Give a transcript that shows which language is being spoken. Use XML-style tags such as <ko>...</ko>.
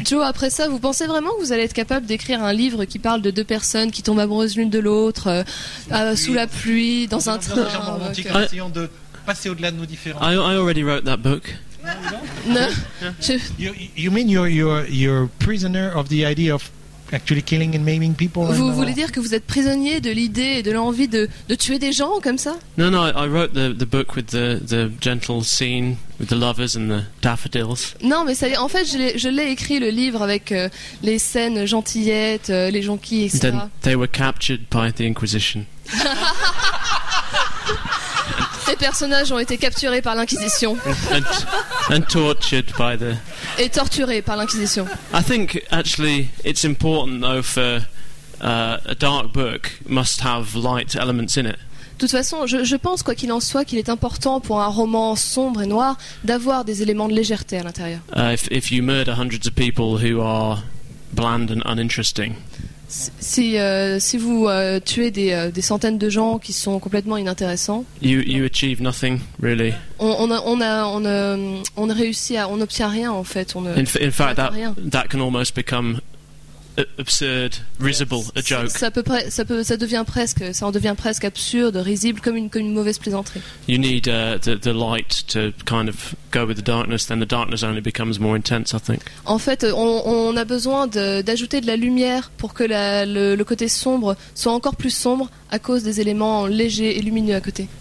<fr>Joe, après ça, vous pensez vraiment que vous allez être capable d'écrire un livre qui parle de deux personnes qui tombent amoureuses l'une de l'autre sous la pluie, dans un train?</fr> <en>Okay.</en> <fr>Essayons de passer au-delà de nos différences.</fr> <en>I already wrote that book. No. You mean you're prisoner of the idea of actually killing and maiming people?</en> <fr>Vous voulez dire que vous êtes prisonnier de l'idée et de l'envie de tuer des gens comme ça?</fr> <en>Non, I wrote the book with the gentle scene with the lovers and the daffodils.</en> <fr>Non, mais ça, en fait, je l'ai écrit le livre avec les scènes gentillettes, les jonquilles, etc.</fr> <en>Then they were captured by the Inquisition.</en> <fr>Ces personnages ont été capturés par l'Inquisition.</fr> <en>And tortured by the.</en> <fr>Et torturés par l'Inquisition.</fr> <en>I think actually it's important though for a dark book must have light elements in it.</en> <fr>De toute façon, je pense, quoi qu'il en soit, qu'il est important pour un roman sombre et noir d'avoir des éléments de légèreté à l'intérieur.</fr> <en>If you murder hundreds of people who are bland and uninteresting.</en> <fr>Si vous tuez des centaines de gens qui sont complètement inintéressants,</fr> <en>you achieve nothing, really.</en> <fr>On n'obtient rien en fait.</fr> <en>That can almost become absurd, risible, a joke.</en> <fr>Ça en devient presque absurde, risible, comme une mauvaise plaisanterie.</fr> <en>You need the light to kind of go with the darkness, then the darkness only becomes more intense, I think.</en> <fr>En fait, on a besoin d'ajouter de la lumière pour que le côté sombre soit encore plus sombre à cause des éléments légers et lumineux à côté.</fr>